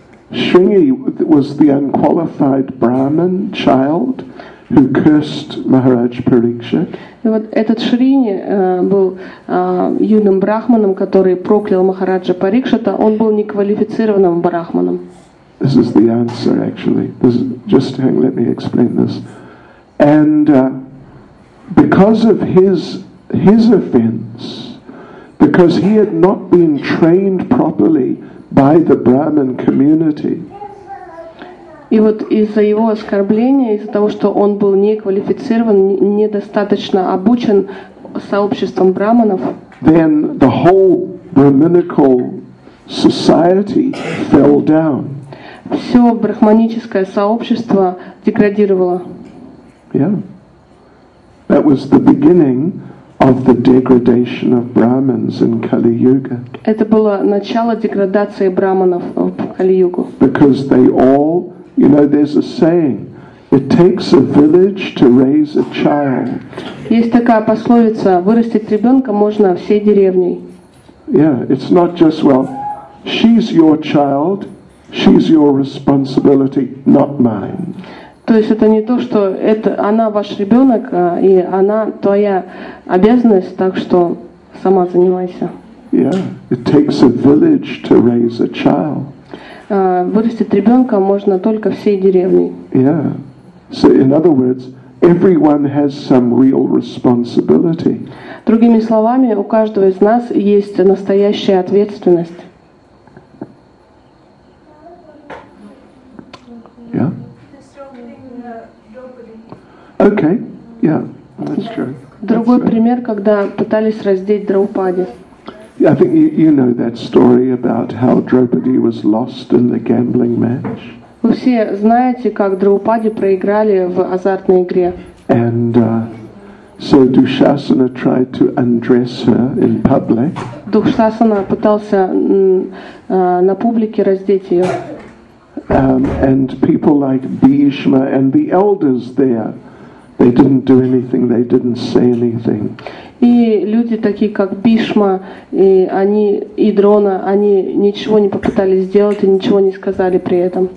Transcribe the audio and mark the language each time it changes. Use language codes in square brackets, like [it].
[en] Shringi was the unqualified Brahmin child who cursed Maharaj Parikshit. [ru] И вот этот Шрини был юным брахманом, который проклял Махараджа Парикшита. Он был неквалифицированным брахманом. [en] This is the answer, actually. Let me explain this. And because of his offense, because he had not been trained properly by the Brahmin community. [ru] И вот из-за его оскорбления, из-за того, что он был неквалифицирован, недостаточно обучен сообществом брахманов, [en] then the whole brahminical society fell down. [ru] Все брахманическое сообщество деградировало. [en] Yeah. That was the beginning of the degradation of Brahmins in Kali-Yuga. [ru] Это было начало деградации брахманов в Кали-Югу. [en] Because they all, you know, there's a saying, it takes a village to raise a child. [ru] Есть такая пословица, вырастить ребенка можно всей деревней. [en] Yeah, it's not just, well, she's your child, she's your responsibility, not mine. [ru] То есть это не то, что это она ваш ребенок, и она твоя обязанность, так что сама занимайся. [en] Yeah, it takes a village to raise a child. [ru] Вырастить ребенка можно только всей деревней. [en] Yeah. So in other words, everyone has some real responsibility. [ru] Другими словами, у каждого из нас есть настоящая ответственность. [en] Okay. Yeah. That's true. [ru] Другой пример, когда пытались раздеть Драупади. [en] I think you know that story about how Draupadi was lost in the gambling match. [ru] Вы все знаете, как Драупади проиграли в азартной игре. [en] And so Dushasana tried to undress her in public. [ru] Dushasana пытался на публике раздеть ее. [en] And people like Bhishma and the elders there, they didn't do anything, they didn't say anything. [ru] И люди такие как Бишма и они и Дрона, они ничего не попытались сделать и ничего не сказали при этом.